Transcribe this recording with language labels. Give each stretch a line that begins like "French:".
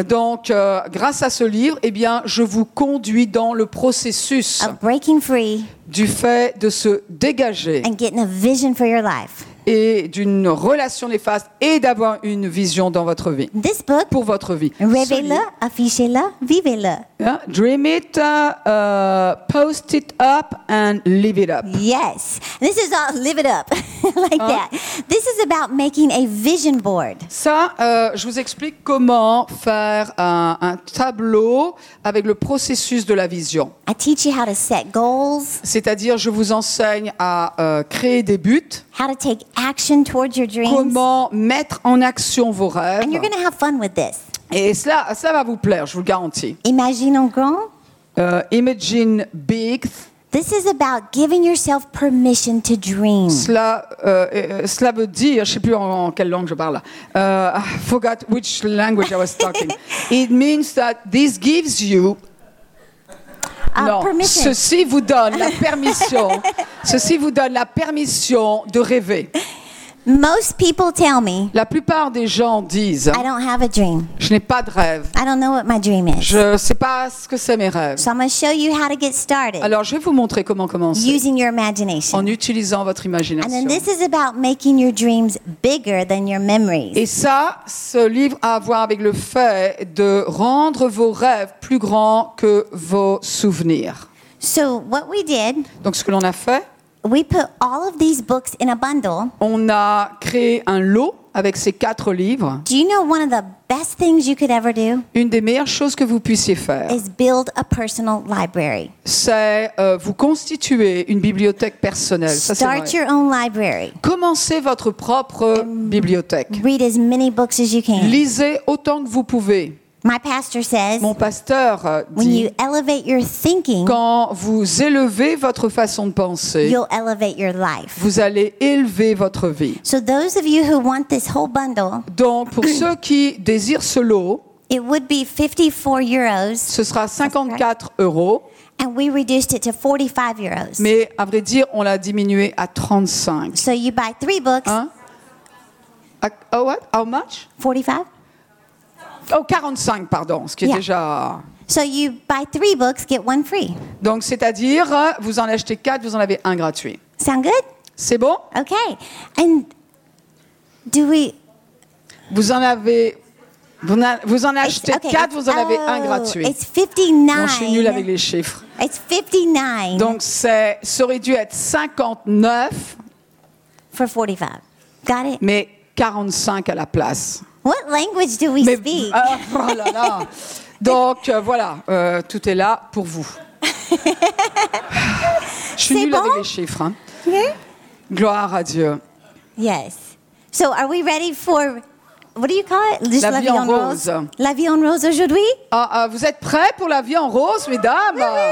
French: Donc, grâce à ce livre, eh bien, je vous conduis dans le processus
English: of breaking free,
French: du fait de se dégager,
English: and getting a vision for your life.
French: Et d'une relation néfaste et d'avoir une vision dans votre vie.
English: This book,
French: pour votre vie. Rêvez-le, affichez-le, vivez-le.
English: Yeah, dream it, post it up and live it up. Yes. This is all live it up. like that. This is about making a vision board.
French: Ça, je vous explique comment faire un tableau avec le processus de la vision.
English: I teach you how to set goals.
French: C'est-à-dire, je vous enseigne à créer des buts.
English: How to take action towards your dreams.
French: Comment mettre en action vos rêves.
English: And you're going to have fun with this.
French: Et cela va vous plaire, je vous le garantis. Imagine en grand.
English: Imagine big. This is about giving yourself permission to dream.
French: Cela veut dire, je ne sais plus en quelle langue je parle.
English: I forgot which language I was talking. It means that this gives you.
French: Non, permission. Ceci vous donne la permission. Ceci vous donne la permission de rêver.
English: Most people tell me.
French: La plupart des gens disent.
English: I don't have a dream.
French: Je n'ai pas de rêve.
English: I don't know what my dream is.
French: Je ne sais pas ce que c'est mes rêves.
English: So I'm going to show you how to get started.
French: Alors je vais vous montrer comment commencer.
English: Using your imagination.
French: En utilisant votre imagination.
English: And then this is about making your dreams bigger than your memories.
French: Et ça, ce livre a à voir avec le fait de rendre vos rêves plus grands que vos souvenirs.
English: So what we did.
French: Donc ce que l'on a fait.
English: We put all of these books in a bundle.
French: On a créé un lot avec ces quatre livres.
English: Do you know one of the best things you could ever do?
French: Une des meilleures choses que vous puissiez faire.
English: Is build a personal library.
French: C'est vous constituer une bibliothèque personnelle.
English: Start
French: ça, c'est vrai.
English: Your own library.
French: Commencez votre propre
English: And
French: bibliothèque.
English: Read as many books as you can.
French: Lisez autant que vous pouvez.
English: My pastor says,
French: mon pasteur dit,
English: when you elevate your thinking,
French: quand vous élevez votre façon de penser,
English: you'll elevate your life.
French: Vous allez élever votre vie.
English: So those of you who want this whole bundle,
French: donc pour ceux qui désirent ce lot,
English: it would be 54 euros,
French: ce sera 54 euros.
English: And we reduced it to 45 euros.
French: Mais à vrai dire, on l'a diminué à 35.
English: So you buy three books. Hein? Oh what? How much? 45.
French: Oh, 45, pardon, ce qui est déjà.
English: So you buy three books, get one free.
French: Donc, c'est-à-dire, vous en achetez quatre, vous en avez un gratuit.
English: Sound good?
French: C'est bon?
English: Okay. And do we?
French: Vous en achetez quatre, vous en avez un gratuit.
English: It's 59.
French: Bon, je suis nulle avec les chiffres.
English: It's 59.
French: Donc, ça aurait dû être 59.
English: For 45. Got it?
French: Mais 45 à la place.
English: What language do we speak?
French: Oh là là. Donc voilà, tout est là pour vous. Je suis nulle bon? Avec les chiffres. Hein. Mm-hmm. Gloire à Dieu.
English: Yes. So are we ready for what do you call it?
French: Just la vie en rose. La vie en rose aujourd'hui? Vous êtes prêts pour la vie en rose, mesdames?